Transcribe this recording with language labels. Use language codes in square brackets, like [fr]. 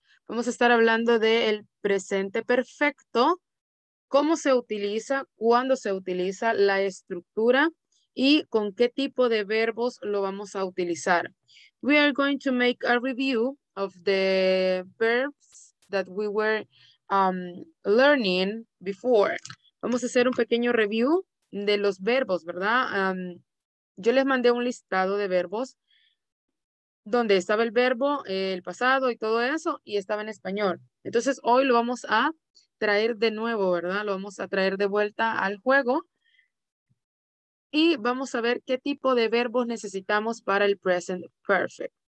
[es] Vamos a estar hablando del presente perfecto, cómo se utiliza, cuándo se utiliza la estructura y con qué tipo de verbos lo vamos a utilizar. [en] We are going to make a review of the verbs that we were learning before. [es] Vamos a hacer un pequeño review de los verbos, ¿verdad? Yo les mandé un listado de verbos donde estaba el verbo, el pasado y todo eso, y estaba en español. Entonces, hoy lo vamos a traer de nuevo, ¿verdad? Lo vamos a traer de vuelta al juego. Y vamos a ver qué tipo de verbos necesitamos para el present perfect.